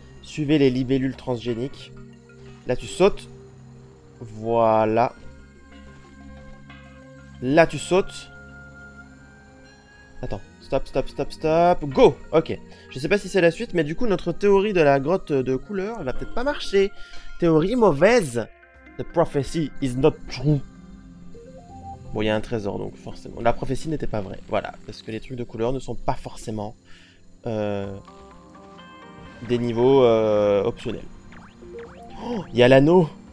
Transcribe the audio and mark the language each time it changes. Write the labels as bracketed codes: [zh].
[fr] Suivez les libellules transgéniques. Là, tu sautes. Voilà. Là, tu sautes. Attends. Stop, stop, stop, stop. Go! Ok. Je sais pas si c'est la suite, mais du coup, notre théorie de la grotte de couleur, elle va peut-être pas marcher. Théorie mauvaise. [en] The prophecy is not true. [fr] Bon, il y a un trésor, donc forcément. La prophétie n'était pas vraie. Voilà. Parce que les trucs de couleur ne sont pas forcément des niveaux optionnels. Oh! Il y a l'anneau!